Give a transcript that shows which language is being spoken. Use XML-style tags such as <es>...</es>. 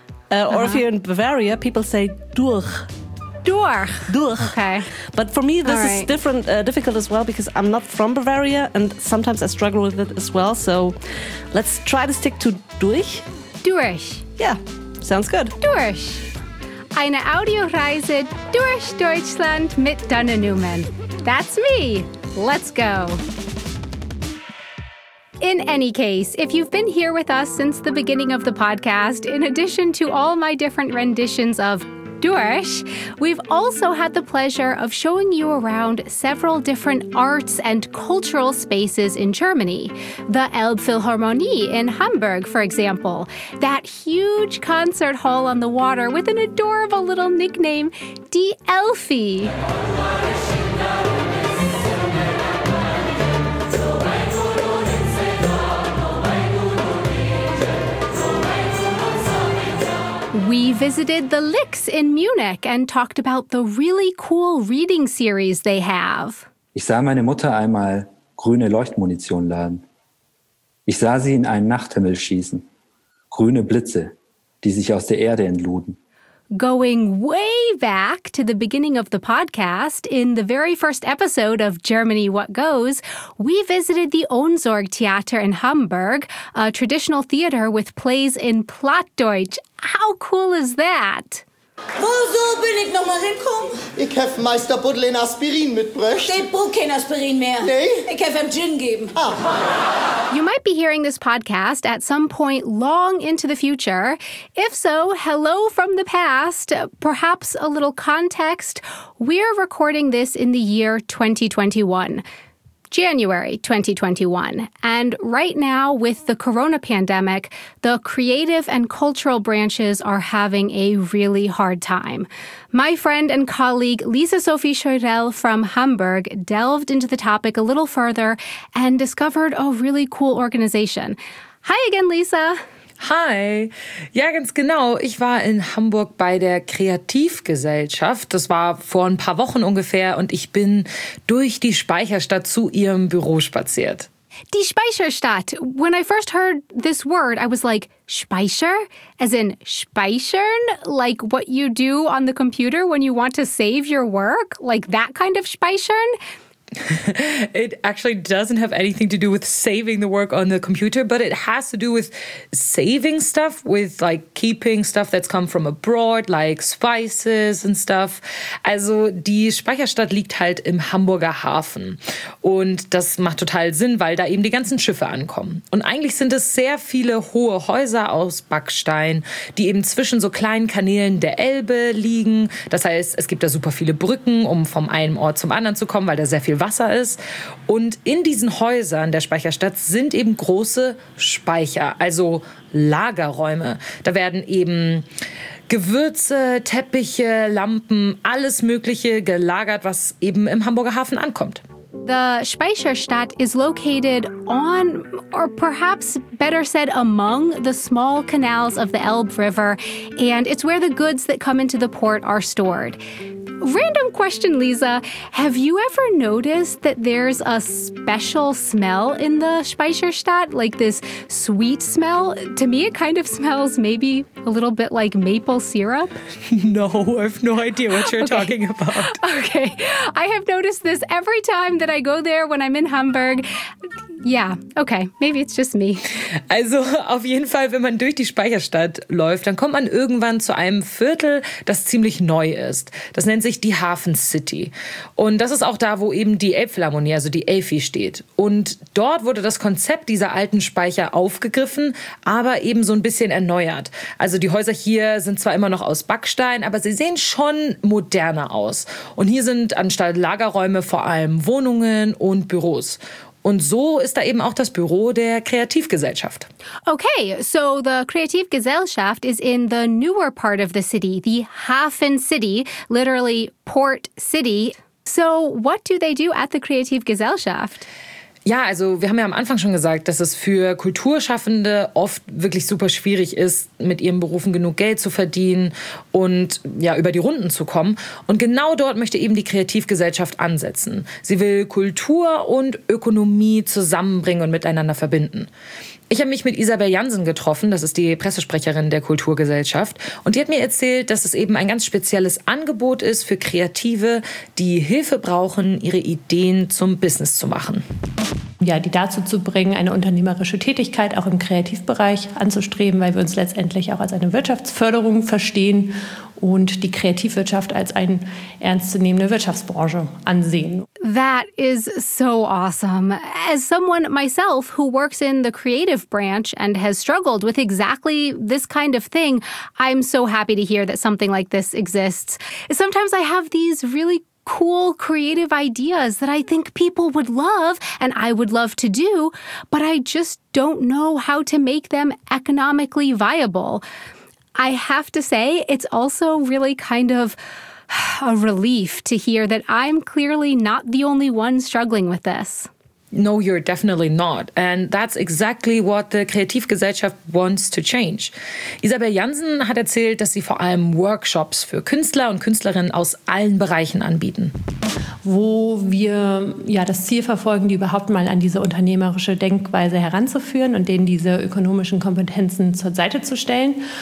<en>Or if you're in Bavaria, people say Durch.</en> <de>Durch. Durch.</de> <en>Okay. But for me, this is difficult as well because I'm not from Bavaria and sometimes I struggle with it as well. So let's try to stick to Durch.</en> <de>Durch.</de> <en>Yeah, sounds good.</en> <de>Durch. Eine Audioreise durch Deutschland mit Dana Newman.</de> <en>That's me. Let's go. In any case, if you've been here with us since the beginning of the podcast, in addition to all my different renditions of Durch, we've also had the pleasure of showing you around several different arts and cultural spaces in Germany. The Elbphilharmonie in Hamburg, for example. That huge concert hall on the water with an adorable little nickname, Die Elfi. We visited the Lix in Munich and talked about the really cool reading series they have.</en> <de>Ich sah meine Mutter einmal grüne Leuchtmunition laden. Ich sah sie in einen Nachthimmel schießen. Grüne Blitze, die sich aus der Erde entluden.</de> <en>Going way back to the beginning of the podcast, in the very first episode of Germany What Goes, we visited the Ohnsorg Theater in Hamburg, a traditional theater with plays in Plattdeutsch. How cool is that?</en> <nds>Wo so bin ich nochmal hinkommen? Ich habe Meister Buddel in Aspirin mitbrächt. Ich brauche kein Aspirin mehr. Nee? Ich habe ihm Gin geben. Ah.</nds> <en>You might be hearing this podcast at some point long into the future. If so, hello from the past. Perhaps a little context. We're recording this in the year 2021. January 2021. And right now, with the corona pandemic, the creative and cultural branches are having a really hard time. My friend and colleague Lisa Sophie Scheurell from Hamburg delved into the topic a little further and discovered a really cool organization. Hi again, Lisa.</en> <de>Hi. Ja, ganz genau. Ich war in Hamburg bei der Kreativgesellschaft. Das war vor ein paar Wochen ungefähr und ich bin durch die Speicherstadt zu ihrem Büro spaziert. Die Speicherstadt.</de> <en>When I first heard this word, I was like, Speicher? As in speichern? Like what you do on the computer when you want to save your work? Like that kind of speichern? It actually doesn't have anything to do with saving the work on the computer, but it has to do with saving stuff, with like keeping stuff that's come from abroad, like spices and stuff.</en> <de>Also die Speicherstadt liegt halt im Hamburger Hafen und das macht total Sinn, weil da eben die ganzen Schiffe ankommen. Und eigentlich sind es sehr viele hohe Häuser aus Backstein, die eben zwischen so kleinen Kanälen der Elbe liegen. Das heißt, es gibt da super viele Brücken, um vom einen Ort zum anderen zu kommen, weil da sehr viel Wasser ist. Und in diesen Häusern der Speicherstadt sind eben große Speicher, also Lagerräume. Da werden eben Gewürze, Teppiche, Lampen, alles Mögliche gelagert, was eben im Hamburger Hafen ankommt.</de> <en>The Speicherstadt is located on, or perhaps better said, among the small canals of the Elbe River, and it's where the goods that come into the port are stored. Random question, Lisa. Have you ever noticed that there's a special smell in the Speicherstadt, like this sweet smell? To me, it kind of smells maybe a little bit like maple syrup. No, I have no idea what you're talking about. Okay. I have noticed this every time that I go there when I'm in Hamburg. Yeah, okay, maybe it's just me.</en> <de>Also auf jeden Fall, wenn man durch die Speicherstadt läuft, dann kommt man irgendwann zu einem Viertel, das ziemlich neu ist. Das nennt sich die Hafen City. Und das ist auch da, wo eben die Elbphilharmonie, also die Elfi, steht. Und dort wurde das Konzept dieser alten Speicher aufgegriffen, aber eben so ein bisschen erneuert. Also die Häuser hier sind zwar immer noch aus Backstein, aber sie sehen schon moderner aus. Und hier sind anstatt Lagerräume vor allem Wohnungen und Büros. Und so ist da eben auch das Büro der Kreativgesellschaft.</de> <en>Okay, so the Kreativgesellschaft is in the newer part of the city, the Hafen City, literally Port City. So what do they do at the Kreativgesellschaft?</en> <de>Ja, also wir haben ja am Anfang schon gesagt, dass es für Kulturschaffende oft wirklich super schwierig ist, mit ihren Berufen genug Geld zu verdienen und ja über die Runden zu kommen. Und genau dort möchte eben die Kreativgesellschaft ansetzen. Sie will Kultur und Ökonomie zusammenbringen und miteinander verbinden. Ich habe mich mit Isabel Jansen getroffen, das ist die Pressesprecherin der Kulturgesellschaft. Und die hat mir erzählt, dass es eben ein ganz spezielles Angebot ist für Kreative, die Hilfe brauchen, ihre Ideen zum Business zu machen. Ja, die dazu zu bringen, eine unternehmerische Tätigkeit auch im Kreativbereich anzustreben, weil wir uns letztendlich auch als eine Wirtschaftsförderung verstehen und die Kreativwirtschaft als eine ernstzunehmende Wirtschaftsbranche ansehen.</de> <en>That is so awesome. As someone myself who works in the creative branch and has struggled with exactly this kind of thing, I'm so happy to hear that something like this exists. Sometimes I have these really cool creative ideas that I think people would love and I would love to do, but I just don't know how to make them economically viable. I have to say, it's also really kind of a relief to hear that I'm clearly not the only one struggling with this. No, you're definitely not. And that's exactly what the Kreativgesellschaft wants to change.</en> <de>Isabel Jansen hat erzählt, dass sie vor allem Workshops für Künstler und Künstlerinnen aus allen Bereichen anbieten. Wo wir ja das Ziel verfolgen, die überhaupt mal an diese unternehmerische Denkweise heranzuführen und denen diese ökonomischen Kompetenzen zur Seite zu stellen.</de>